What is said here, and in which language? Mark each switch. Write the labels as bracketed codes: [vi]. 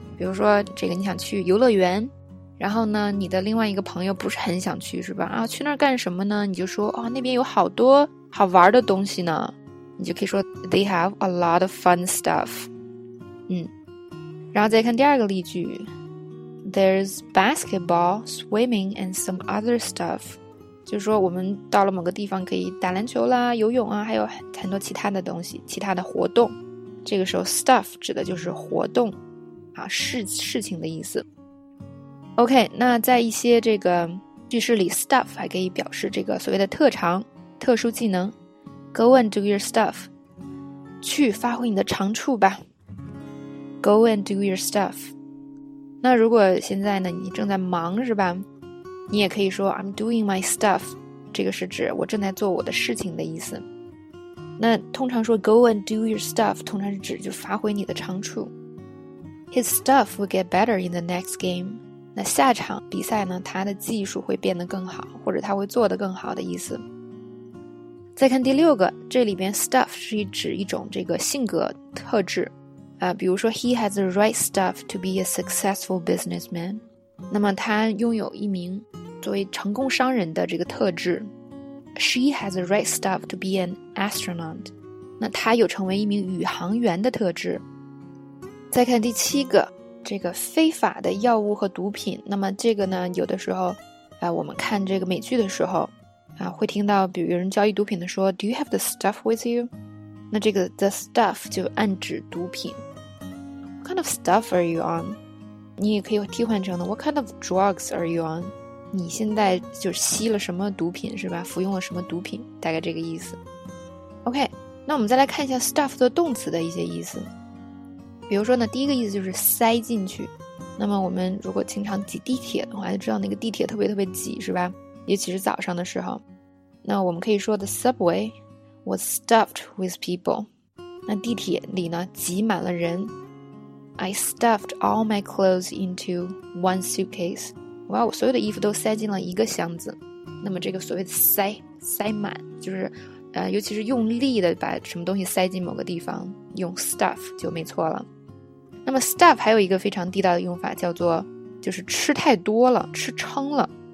[zh] 比如说这个你想去游乐园，然后呢你的另外一个朋友不是很想去，是吧？啊，去那儿干什么呢？你就说哦，那边有好多好玩的东西呢，你就可以说 [en] they have a lot of fun stuff。 [zh] 然后再看第二个例句， [en] There's basketball, swimming, and some other stuff。 [zh] 就是说我们到了某个地方可以打篮球啦，游泳啊，还有很多其他的东西，其他的活动。这个时候 stuff 指的就是活动啊，事情的意思。 OK， 那在一些这个句式里， stuff 还可以表示这个所谓的特长、特殊技能。 [en] Go and do your stuff， [zh] 去发挥你的长处吧。 [en] Go and do your stuff。 [zh] 那如果现在呢你正在忙，是吧？你也可以说 [en] I'm doing my stuff， [zh] 这个是指我正在做我的事情的意思。那通常说 [en] go and do your stuff， [zh] 通常是指就发挥你的长处。 [en] His stuff will get better in the next game。 [zh] 那下场比赛呢，他的技术会变得更好，或者他会做得更好的意思。再看第六个，这里边 stuff 是指一种这个性格特质啊，比如说 [en] He has the right stuff to be a successful businessman。 [zh] 那么他拥有一名作为成功商人的这个特质。 [en] She has the right stuff to be an astronaut。 [zh] 那他有成为一名宇航员的特质。再看第七个，这个非法的药物和毒品。那么这个呢，有的时候我们看这个美剧的时候会听到，比如有人交易毒品的说 [en] Do you have the stuff with you? [zh] 那这个 the stuff 就暗指毒品。 [en] What kind of stuff are you on? [zh] 你也可以替换成的 [en] What kind of drugs are you on? [zh] 你现在就吸了什么毒品是吧，服用了什么毒品，大概这个意思。 OK, 那我们再来看一下 stuff 的动词的一些意思。比如说呢，第一个意思就是塞进去。那么我们如果经常挤地铁的话，就知道那个地铁特别特别挤是吧，尤其是早上的时候。那我们可以说 [en] The subway was stuffed with people. [zh] 那地铁里呢挤满了人。 [en] I stuffed all my clothes into one suitcase. [zh] 哇，我所有的衣服都塞进了一个箱子。那么这个所谓的塞满就是尤其是用力的把什么东西塞进某个地方，用 stuff 就没错了。那么 stuff 还有一个非常地道的用法，叫做就是吃太多了，吃撑了。